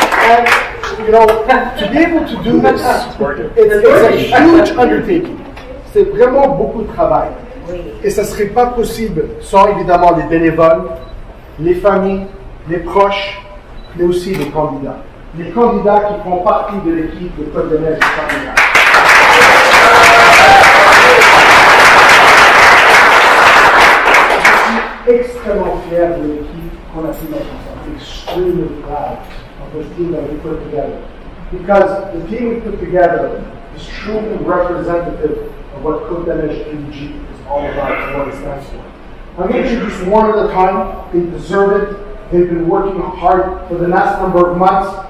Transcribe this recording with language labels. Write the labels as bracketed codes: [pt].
[en] And, you know, to be able to do this, it's a huge undertaking. [fr] C'est vraiment beaucoup de travail. Et ça serait pas possible sans, évidemment, les bénévoles, les familles, les proches, mais aussi les candidats. Les candidats qui font partie de l'équipe de Code de Neige et Candidats. Je suis extrêmement fier de l'équipe qu'on a pu mettre ensemble. Extrêmement [en] proud of the team that we put together. Because the team we put together is truly representative of what Code de Neige NG is all about and what it stands for. I'm going to introduce one at a time. They deserve it. They've been working hard for the last number of months.